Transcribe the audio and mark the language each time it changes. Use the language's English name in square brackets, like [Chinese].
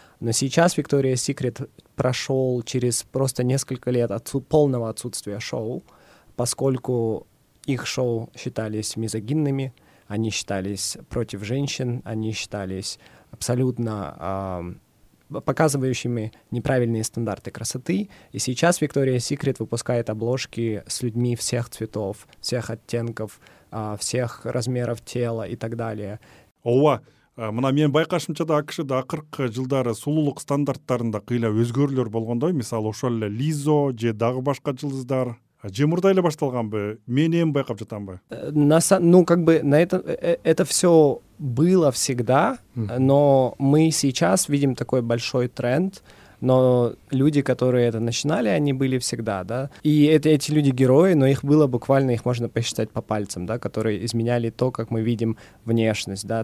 [Russian] Но сейчас Victoria's Secret прошел через просто несколько лет полного отсутствия шоу, поскольку их шоу считались мизогинными, они считались против женщин, они считались абсолютно показывающими неправильные стандарты красоты. И сейчас Victoria's Secret выпускает обложки с людьми всех цветов, всех оттенков, всех размеров тела и так далее. [Kyrgyz] Ооба, мына менин байкашымча да АКШда 40 жылдары сулуулук стандарттарында кыйла өзгөрүүлөр болгондой, мисалы ошол эле Лизо же дагы башка жылдыздар. Же мурда эле башталганбы? Мен эми байкап жатамбы? [Russian] Это все было всегда, но мы сейчас видим такой большой тренд, но люди, которые это начинали, они были всегда, да? И эти люди герои, но их было буквально, их можно посчитать по пальцам, да, которые изменяли то, как мы видим внешность, да?